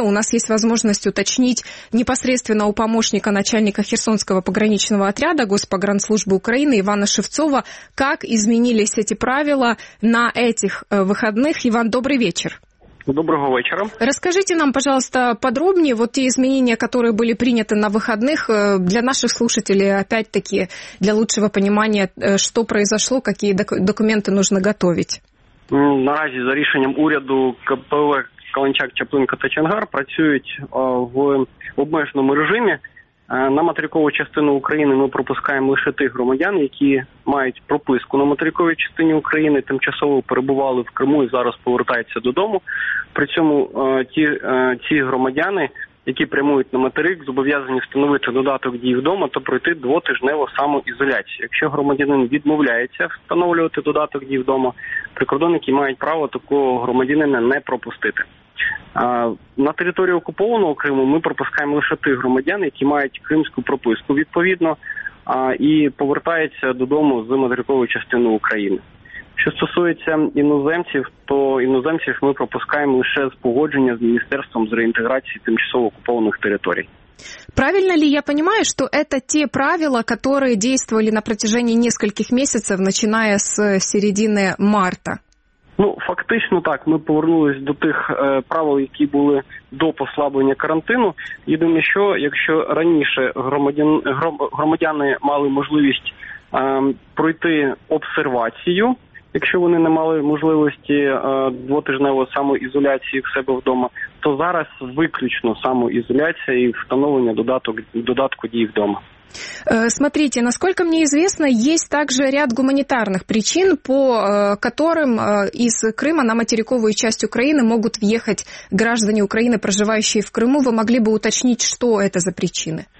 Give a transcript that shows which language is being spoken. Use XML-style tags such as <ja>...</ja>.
<ru>У нас есть возможность уточнить непосредственно у помощника начальника Херсонского пограничного отряда Госпогранслужбы Украины Ивана Шевцова, как изменились эти правила на этих выходных. Иван, добрый вечер. Доброго вечера. Расскажите нам, пожалуйста, подробнее вот те изменения, которые были приняты на выходных для наших слушателей, опять-таки, для лучшего понимания, что произошло, какие документы нужно готовить.</ru> <uk>Наразі за рішенням уряду КПВ Каланчак, Чаплинка та Чангар працюють в обмеженому режимі. На материкову частину України ми пропускаємо лише тих громадян, які мають прописку на материковій частині України, тимчасово перебували в Криму і зараз повертаються додому. При цьому ці громадяни які прямують на материк, зобов'язані встановити додаток дій вдома та пройти двотижневу самоізоляцію. Якщо громадянин відмовляється встановлювати додаток дій вдома, прикордонники мають право такого громадянина не пропустити. На території окупованого Криму ми пропускаємо лише тих громадян, які мають кримську прописку, відповідно, і повертаються додому з материкової частини України. Що стосується іноземців, то іноземців ми пропускаємо лише з погодження з Міністерством з реінтеграції тимчасово окупованих територій.</uk> <ru>Правильно ли я понимаю, что это те правила, которые действовали на протяжении нескольких месяцев, начиная с середины марта?</ru> <uk>Ну, фактично так. Ми повернулись до тих правил, які були до послаблення карантину. Єдине, що якщо раніше громадяни мали можливість пройти обсервацію, якщо вони не мали можливості двотижневої самоізоляції в себе вдома, то зараз виключно самоізоляція і встановлення додатку дій вдома.</uk> <ru>Смотрите, насколько мне известно, есть также ряд гуманитарных причин, по которым из Крыма на материковую часть Украины могут въехать граждане Украины, проживающие в Крыму. Вы могли бы уточнить, что это за причины?</ru>